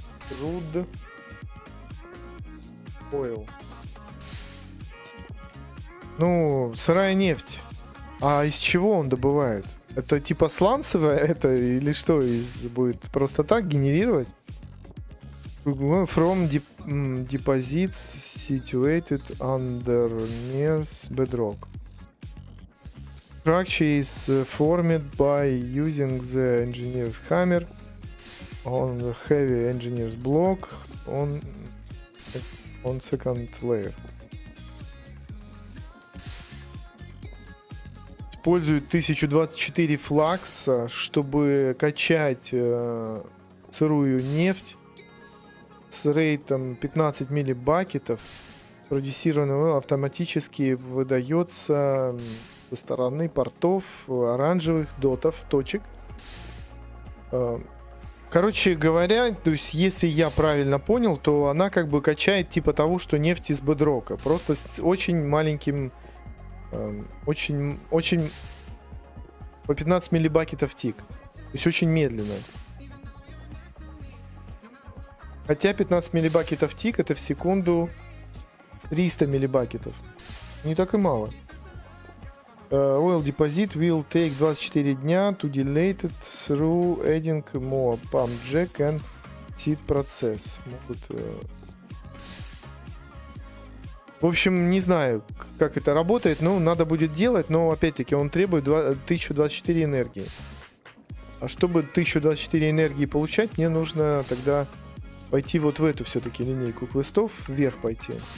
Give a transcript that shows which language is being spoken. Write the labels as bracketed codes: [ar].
[en] Crude Oil. [ru] Ну, сырая нефть. А из чего он добывает? Это типа сланцевое это или что? Из, будет просто так генерировать? [en] From deposits situated under Mers bedrock. Structure is formed by using the engineer's hammer on the heavy engineer's block on second layer. [ru] Использует 1024 флакса, чтобы качать сырую нефть с рейтом 15 миллибакетов. Продюсированный автоматически выдается со стороны портов оранжевых дотов, точек. Короче говоря, то есть, если я правильно понял, то она как бы качает типа того, что нефть из бедрока. Просто с очень маленьким... Очень, очень по 15 миллибакетов тик. То есть очень медленно. Хотя 15 миллибакетов тик — это в секунду 300 миллибакетов. Не так и мало. [en] Oil deposit will take 24 [ru] дня [en] to delete it through adding more pump jack and seed process. [ru] Могут... В общем, не знаю, как это работает, но надо будет делать, но опять-таки он требует 1024 энергии. А чтобы 1024 энергии получать, мне нужно тогда пойти вот в эту все-таки линейку квестов, вверх пойти.